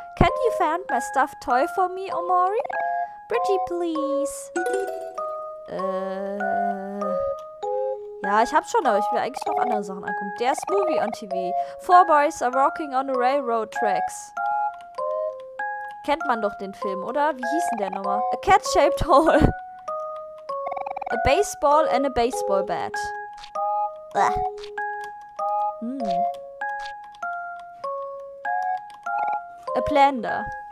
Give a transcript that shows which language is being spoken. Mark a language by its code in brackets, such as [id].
[en] Can you find my stuffed toy for me, Omori? Pretty please. [de] Ja, ich hab's schon, aber ich will eigentlich noch andere Sachen angucken. [en] There's movie on TV. Four boys are walking on the railroad tracks. [de] Kennt man doch den Film, oder? Wie hieß denn der nochmal? [en] A cat-shaped hole. A baseball and a baseball bat. A blender.